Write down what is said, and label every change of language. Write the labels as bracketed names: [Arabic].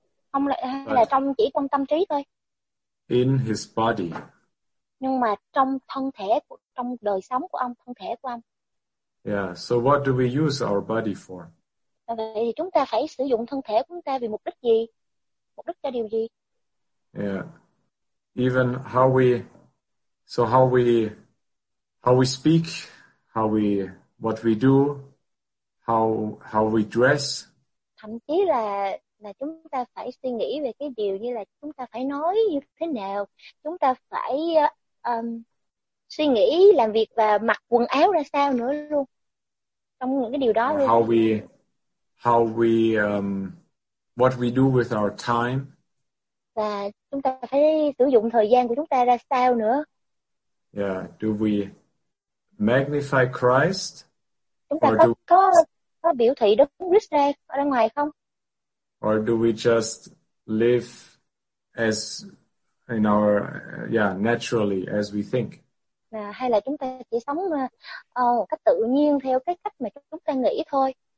[Vietnamese] Ông lại hay But là trong chỉ trong tâm trí thôi. [English] In his body. [Vietnamese] Nhưng mà trong thân thể của, trong đời sống của ông, thân thể của ông. [English] Yeah, so what do we use our body for? [Vietnamese] Vậy thì chúng ta phải sử dụng thân thể của chúng ta vì mục đích gì? Mục đích cho điều gì? Yeah. [English] Even how we speak, what we do, how we dress. [Vietnamese] Thậm chí là chúng ta phải suy nghĩ về cái điều như là chúng ta phải nói như thế nào, chúng ta phải suy nghĩ làm việc và mặc quần áo ra sao nữa luôn. Trong những cái điều đó luôn. [English] What we do with our time. [Vietnamese] Và chúng ta phải sử dụng thời gian của chúng ta ra sao nữa. [English] Yeah, do we magnify Christ? [Vietnamese] Chúng ta có biểu thị Đức Christ ra ngoài không? [English] Or do we just live as in our naturally as we think? [Vietnamese] À, hay là chúng ta chỉ sống một cách tự nhiên theo cái cách mà chúng ta nghĩ thôi.